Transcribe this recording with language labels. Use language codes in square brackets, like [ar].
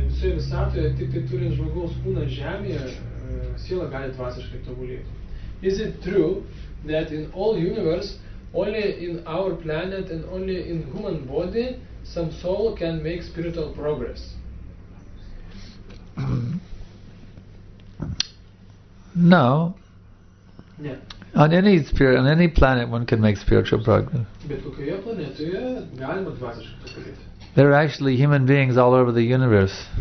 [lt] Visoje visatoje tik tai turint žmogaus kūną žemėje, siela gali dvasiškai tobulėti. [en] Is it true that in all universe, only in our planet and only in human body, some soul can make spiritual progress? No. Yeah. On any planet one can make spiritual progress. [lt] Bet kokioje planetoje galima dvasiškai tobulėti? [en] There are actually human beings all over the universe.